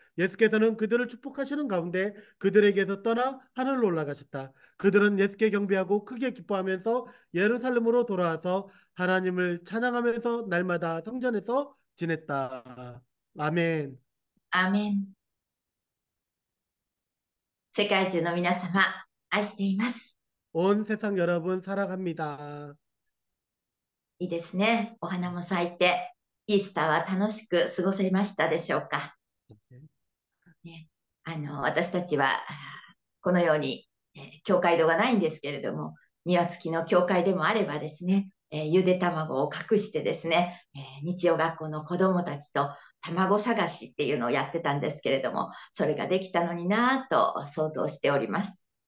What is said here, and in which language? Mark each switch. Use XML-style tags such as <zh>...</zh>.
<ko>예수께서는 그들을 축복하시는 가운데 그들에게서 떠나 하늘로 올라가셨다. 그들은 예수께 경배하고 크게 기뻐하면서 예루살렘으로 돌아와서 하나님을 찬양하면서 날마다 성전에서 지냈다. 아멘. 아멘.</ko> <ja>세계中の皆様、愛しています。</ja> <ko>온 세상 여러분 사랑합니다.</ko> <ja>いいですね。お花も咲いて、イースターは楽しく過ごせましたでしょうか。ね、私たちは、このように、教会堂がないんですけれども、庭付きの教会でもあればですね、ゆで卵を隠してですね、日曜学校の子供たちと、卵探しっていうのをやってたんですけれども、それができたのになぁと想像しております。</ja>